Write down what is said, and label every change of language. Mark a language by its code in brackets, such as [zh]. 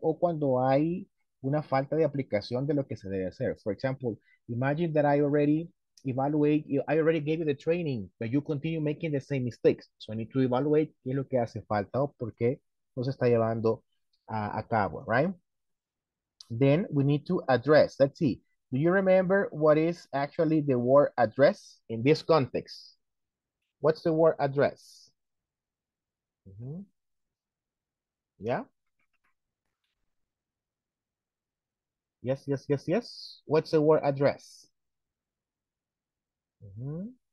[es] O cuando hay una falta de aplicación de lo que se debe hacer. [en] For example, imagine that I already gave you the training, but you continue making the same mistakes. So I need to evaluate [es] qué es lo que hace falta o por qué no se está llevando a cabo, [en] right? Then we need to address. Let's see. Do you remember what is actually the word address in this context? What's the word address? Mm-hmm. Yeah. Yes, yes, yes, yes. What's the word address? Mm-hmm.